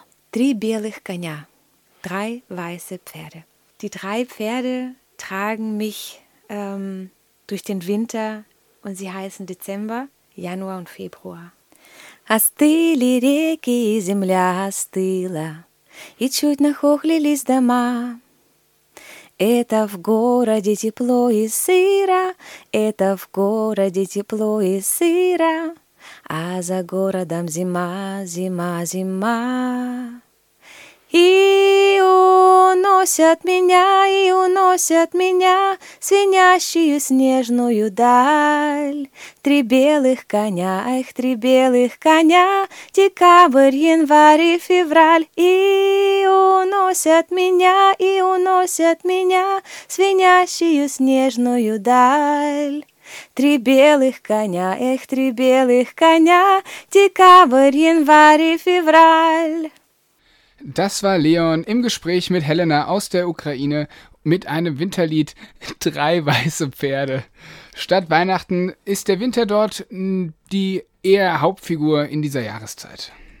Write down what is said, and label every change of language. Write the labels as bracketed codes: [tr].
[ru] Tri belych konja, [de] drei weiße Pferde. Die drei Pferde tragen mich durch den Winter und sie heißen Dezember, Januar und Februar. [ru] Astili reki, zemlya astila. и чуть нахохлились дома. Это в городе тепло и сыро, это в городе тепло и сыро, а за городом зима, зима, зима. И уносят меня, и уносят меня свинящую снежную даль. Три белых коня, эх, три белых коня, декабрь, январь и февраль. И уносят меня, и уносят меня свинящую снежную даль. Три белых коня, эх, три белых коня, декабрь, январь и февраль. [de] Das war Leon im Gespräch mit Helena aus der Ukraine mit einem Winterlied Drei weiße Pferde. Statt Weihnachten ist der Winter dort die eher Hauptfigur in dieser Jahreszeit.